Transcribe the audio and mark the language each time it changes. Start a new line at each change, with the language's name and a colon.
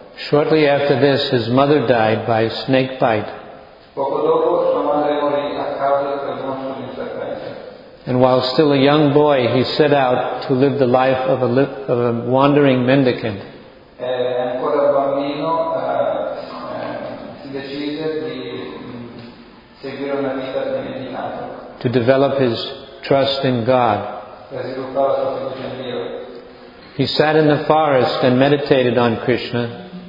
English: Shortly after this, his mother died by a snake bite.
Italian: Poco dopo, sua madre morì a causa del mostro di un serpente.
English: And while still a young boy, he set out to live the life of a wandering mendicant.
Italian: Ancora bambino, si decise di seguire una vita di mendicante.
English: To develop his trust in God.
Italian: Per sviluppare la sua fiducia in Dio.
English: He sat in the forest and meditated on Krishna.